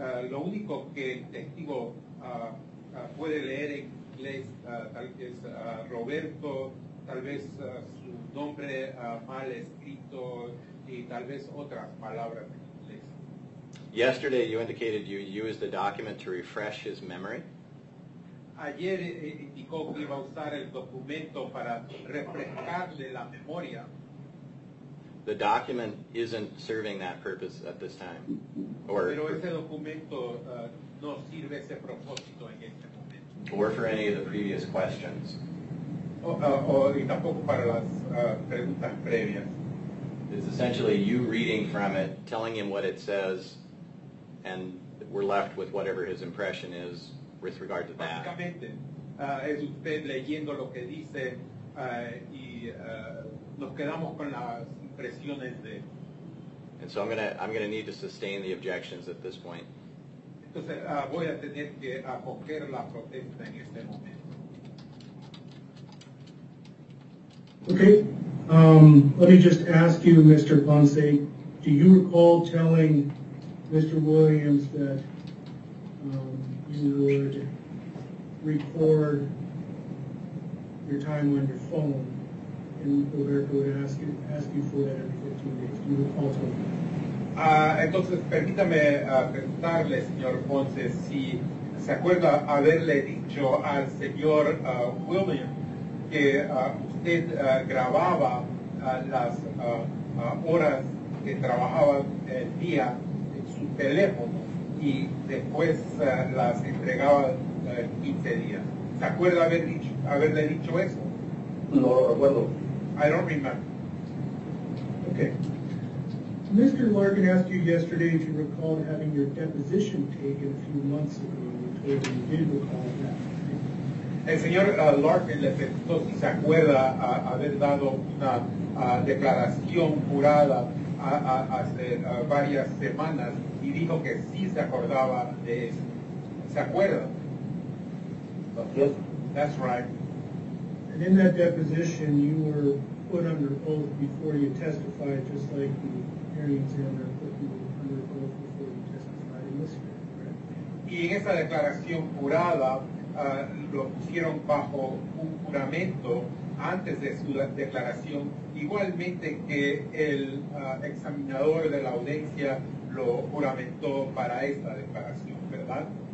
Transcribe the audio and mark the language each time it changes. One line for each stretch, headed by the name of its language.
Spanish: Lo único que el testigo puede leer en inglés tal vez Roberto, tal vez su nombre mal escrito, y tal vez otras palabras.
English: Yesterday, you indicated you used the document to refresh his memory.
Spanish: Ayer indicó que iba a usar el documento para refrescarle la memoria.
English: The document isn't serving that purpose at this time.
Spanish: Pero ese documento no sirve ese propósito en este momento.
English: Or for any of the previous questions.
Spanish: Y tampoco para las preguntas previas.
English: It's essentially you reading from it, telling him what it says, and we're left with whatever his impression is with regard to that.
Spanish: Básicamente, es usted leyendo lo que dice y nos quedamos con las impresiones de.
English: And so I'm gonna need to sustain the objections at this point.
Spanish: Entonces voy a tener que acoger la protesta en este momento.
English: Okay, let me just ask you, Mr. Ponce, do you recall telling Mr. Williams that you would record your time on your phone and Roberto would ask you for that every 15 days? Do you recall to him?
Spanish: Entonces, permítame preguntarle, señor Ponce, si se acuerda haberle dicho al señor Williams que usted grababa las horas que trabajaba el día teléfono y después las entregaba 15 días. ¿Se acuerda haberle dicho eso? No lo recuerdo.
English: I don't remember. Okay. Mr. Larkin asked you yesterday if you recalled having your deposition taken a few months ago. You told him you did recall that.
Spanish: El señor Larkin le preguntó si se acuerda haber dado una declaración jurada hace varias semanas y dijo que sí se acordaba de eso. ¿Se acuerda?
English: That's right. And in that deposition, you were put under oath before you testified, just like the hearing examiner put you under oath before you testified in this hearing, right?
Spanish: Y en esa declaración jurada, lo pusieron bajo un juramento antes de su declaración, igualmente que el examinador de la audiencia lo juramentó para esta declaración, ¿verdad?